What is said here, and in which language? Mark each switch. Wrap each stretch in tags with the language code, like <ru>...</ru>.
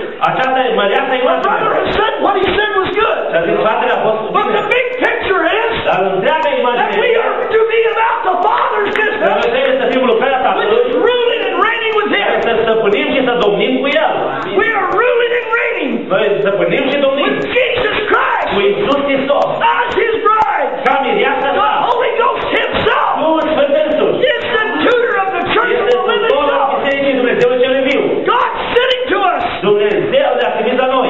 <ro>Aceasta e măreasa imagine. Și a zis, fratele a fost bine.</ro> <en>But the big picture is.</en> <ro>Dar întreaga imagine.</ro> <en>That we are to be about the Father's business.</en> <ro>Dar noi trebuie să fim lucrarea Tatălui.</ro> <en>Which is ruling and reigning with him.</en> <ro>Să stăpânim și să domnim cu el.</ro> <en>We are ruling and reigning.</en> <ro>Noi stăpânim și domnim.</ro> <en>With Jesus Christ.</en> <ro>Cu Iisus Hristos.</ro> <en>As his bride.</en> <ro>Ca mireasa</ro> <en>sa. The Holy Ghost himself.</en> <ro>Duhul Sfânt însuși.</ro> <en>Is the tutor of the church of the living God.</en> <ro>Este tutorul Bisericii Dumnezeu cel viu.</ro> <en>God sitting to us.</en> <ro>Dumnezeu de-a trimis la noi.</ro>